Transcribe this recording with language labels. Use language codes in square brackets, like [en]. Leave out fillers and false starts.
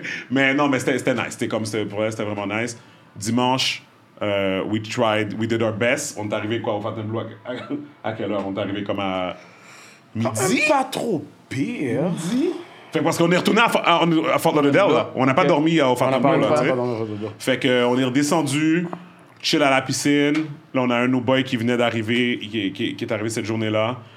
[fr] Mais c'était nice. C'était comme, pour elle, c'était vraiment nice. [en] Dimanche, we did our best. [fr] On est arrivé quoi au Fontainebleau? À quelle heure? On est arrivé comme à midi? Pas trop pire. Midi? Fait que parce qu'on est retourné à Fort Lauderdale. On n'a pas dormi au Fontainebleau. Fait qu'on est redescendu, chill à la piscine. Là, on a un new boy qui venait d'arriver, qui est arrivé cette journée-là.